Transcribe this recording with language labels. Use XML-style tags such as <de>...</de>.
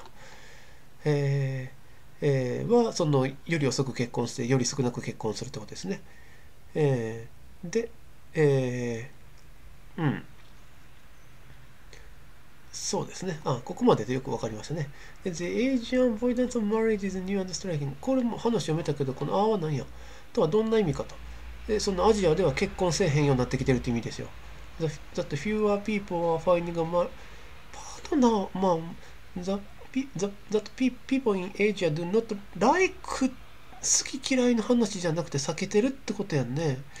<ja>は、その、より遅く結婚して、より少なく結婚するってことですね。で、うん。そうですね。あ、ここまででよく分かりましたね。</ja> <en>The Asian avoidance of marriage is new and striking.</en> <ja>これも話読めたけど、このあは何やとはどんな意味かと。で、そのアジアでは結婚せえへんようになってきてるって意味ですよ。</ja> <en>That fewer people are finding a partner. That people in Asia do not like</en> <ja>好き嫌いの話じゃなくて避けてるってことやんね。</ja>